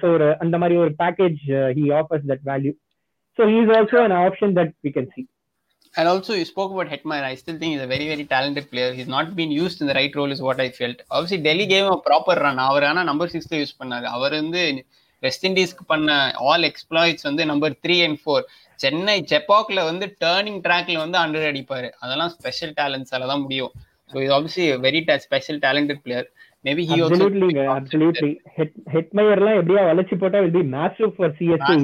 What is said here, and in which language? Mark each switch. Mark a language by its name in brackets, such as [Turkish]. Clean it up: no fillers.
[English] so [Tamil] ஒரு அந்த மாதிரி ஒரு [English] Package he offers that value. So he is also an option that we can see. And also, you spoke about Hetmyer. I still think he's a very, very talented player. He's not been used in the right role is what I felt. Obviously, Delhi gave him a proper run. [Tamil] அவர் ஆனால் number 6th use பண்ணார். அவர் வந்து west இண்டீஸ்க்கு பண்ண all exploits வந்து number 3 and 4. Chennai ஜெப்பாக்கில் வந்து turning ட்ராக்ல வந்து 100 அடிப்பார். அதெல்லாம் ஸ்பெஷல் டேலண்ட்ஸால தான் முடியும். [English] So is obviously very special talented player. Maybe he also absolutely ஹெட்மயர்லாம் [Tamil] எப்படியா வளைச்சு போட்டா [English] Will be master for CSK.